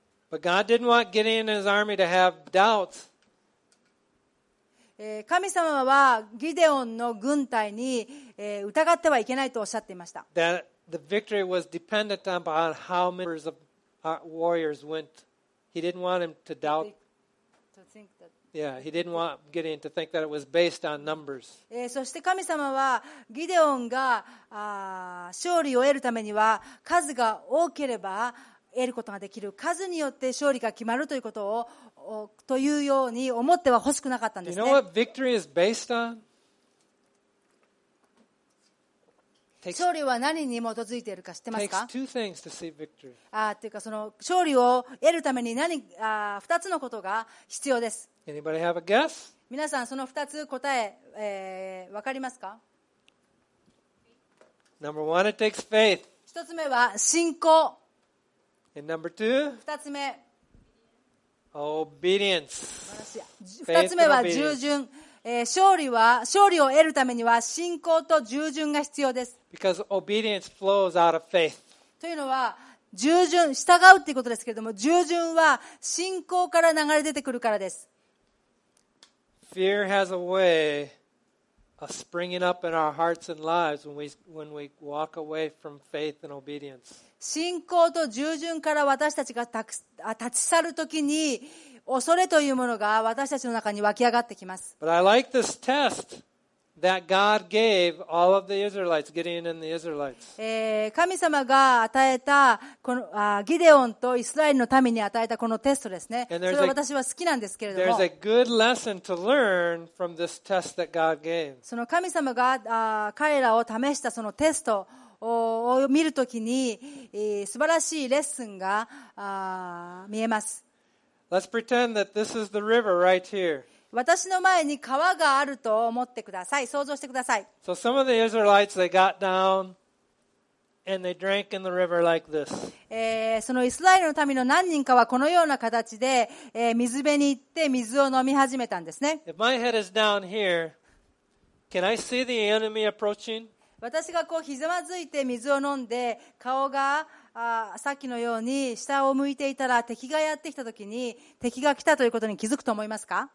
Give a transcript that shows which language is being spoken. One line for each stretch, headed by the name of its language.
English: But God didn't want Gideon and his army to have doubts.
Japanese: 神様はギデオンの軍隊に疑ってはいけないとおっしゃっていました。
English: That the victory was dependent upon how many warriors went. He didn't want him to doubt Yeah, he didn't want Gideon to think that it was based on numbers.
Japanese: そして神様はギデオンが勝利を得るためには数が多ければ得ることができる、数によって勝利が決まるということをというように思っては欲しくなかったんですね。
English: You know what victory is based on?
Japanese: 勝利は何に基づいているか知ってますか？
English: Takes two things to see victory.
Japanese: というかその勝利を得るために何二つのことが必要です。
English: Anybody have a guess?
Japanese: 皆さんその二つ答え、分かりますか？
English: Number one, it takes faith.
Japanese: 一つ目は信仰。
English: And number two,
Japanese: 二つ目。
English: Obedience.
Japanese: 二つ目は従順。勝利を得るためには信仰と従順が必要です。
English: Because obedience flows out of faith.
Japanese: というのは従順、従うということですけれども、従順は信仰から流れ出てくるからです。
English: Fear has a way of springing up in our hearts and lives when we walk away from faith and obedience.
Japanese: 信仰と従順から私たちが立ち去るときに恐れというものが私たちの中に湧き上がってきます。
English: But I like this test that God gave all of the Israelites, Gideon and the Israelites.
Japanese: 神様が与えたこのギデオンとイスラエルの民に与えたこのテストですね。それは私は好きなんですけれども。
English: There's a good lesson to learn from this test that God gave.
Japanese: その神様が彼らを試したそのテストを見るときに素晴らしいレッスンが見えます。
English: Let's pretend that this is the river right here.
Japanese: 私の前に川があると思ってください。想像してください。
English: So some of the Israelites, they got down and they drank in the river like this.
Japanese: そのイスラエルの民の何人かはこのような形で水辺に行って水を飲み始めたんですね。
English: If my head is down here, can I see the enemy approaching?
Japanese: 私がこうひざまずいて水を飲んで顔がさっきのように下を向いていたら敵がやってきたときに敵が来たということに気づくと思いますか？